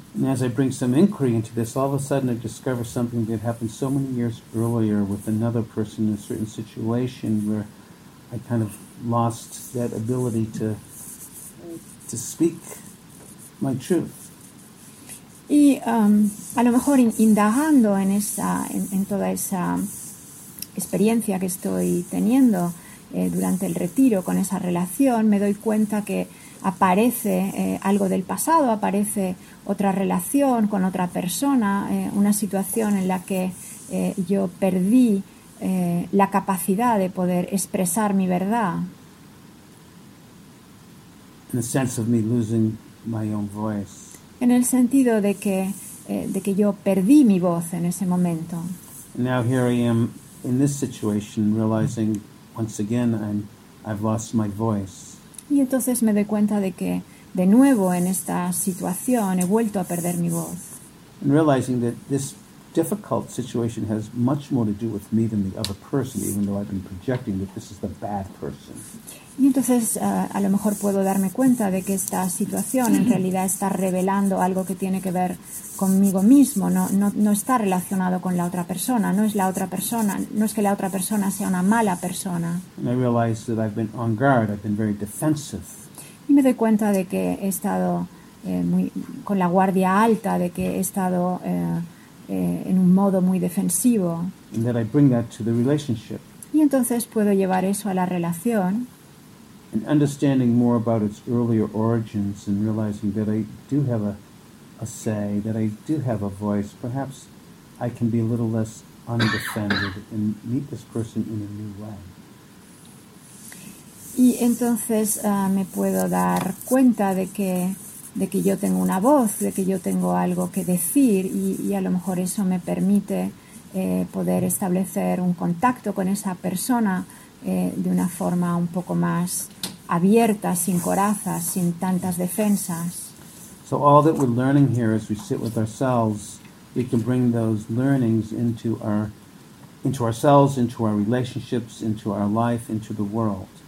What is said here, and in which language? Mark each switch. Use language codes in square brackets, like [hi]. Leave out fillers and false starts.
[en] And as I bring some inquiry into this, all of a sudden I discover something that happened so many years earlier with another person in a certain situation where I kind of lost that ability to speak my truth. [es] Y a lo mejor indagando en toda esa experiencia que estoy teniendo durante el retiro con esa relación, me doy cuenta que aparece algo del pasado, aparece otra relación con otra persona, una situación en la que yo perdí la capacidad de poder expresar mi verdad. [en] In the sense of me losing my own voice. [es] En el sentido de que yo perdí mi voz en ese momento. [en] Now here I am in this situation realizing once again I've lost my voice. [es] Y entonces me doy cuenta de que de nuevo en esta situación he vuelto a perder mi voz. [en] And realizing that this difficult situation has much more to do with me than the other person, even though I've been projecting that this is the bad person. [es] Y entonces, a lo mejor puedo darme cuenta de que esta situación en realidad está revelando algo que tiene que ver conmigo mismo. No está relacionado con la otra persona. No es la otra persona. No es que la otra persona sea una mala persona. [en] And I realize that I've been on guard. I've been very defensive. [es] Y me doy cuenta de que he estado muy con la guardia alta, de que he estado en un modo muy defensivo. [en] And that I bring that to the relationship. [es] Y entonces puedo llevar eso a la relación. [en] And understanding more about its earlier origins and realizing that I do have a say, that I do have a voice, perhaps I can be a little less undefended and meet this person in a new way. [es] Y entonces me puedo dar cuenta de que yo tengo una voz, de que yo tengo algo que decir, y a lo mejor eso me permite poder establecer un contacto con esa persona de una forma un poco más abierta, sin corazas, sin tantas defensas. [en] So all that we're learning here as we sit with ourselves, we can bring those learnings into ourselves, into our relationships, into our life, into the world.